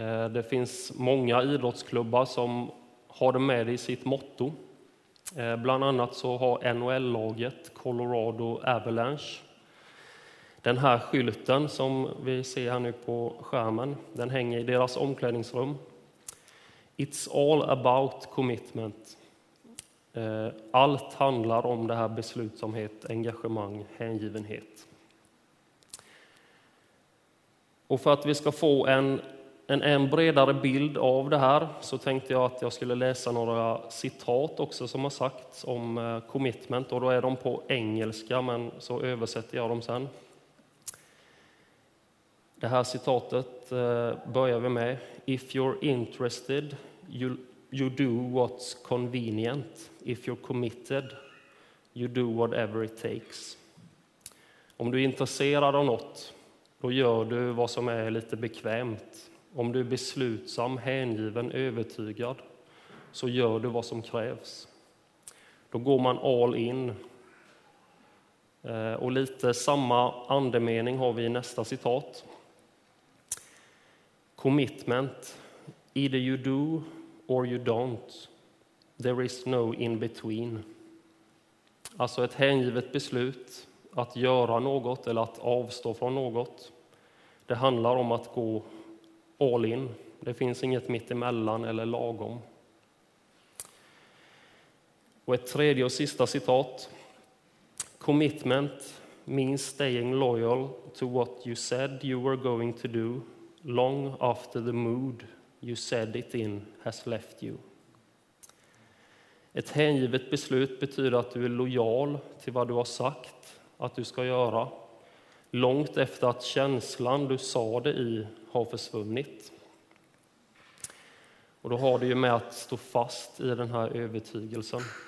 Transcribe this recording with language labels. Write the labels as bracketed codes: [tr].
[sv] Det finns många idrottsklubbar som har det med i sitt motto. Bland annat så har NHL-laget Colorado Avalanche. Den här skylten som vi ser här nu på skärmen, den hänger i deras omklädningsrum. [en] It's all about commitment. [sv] Allt handlar om det här beslutsamhet, engagemang, hängivenhet. Och för att vi ska få en bredare bild av det här så tänkte jag att jag skulle läsa några citat också som har sagts om commitment, och då är de på engelska men så översätter jag dem sen. Det här citatet börjar vi med. [en] If you're interested, you do what's convenient. If you're committed, you do whatever it takes. [sv] Om du är intresserad av något, då gör du vad som är lite bekvämt. Om du är beslutsam, hängiven, övertygad, så gör du vad som krävs. Då går man all in. Och lite samma andemening har vi i nästa citat. [en] Commitment. Either you do or you don't. There is no in between. [sv] Alltså ett hängivet beslut att göra något eller att avstå från något. Det handlar om att gå all in. Det finns inget mitt emellan eller lagom. Och ett tredje och sista citat. [en] Commitment means staying loyal to what you said you were going to do long after the mood you said it in has left you. [sv] Ett hängivet beslut betyder att du är lojal till vad du har sagt att du ska göra långt efter att känslan du sa det i har försvunnit. Och då har du ju med att stå fast i den här övertygelsen.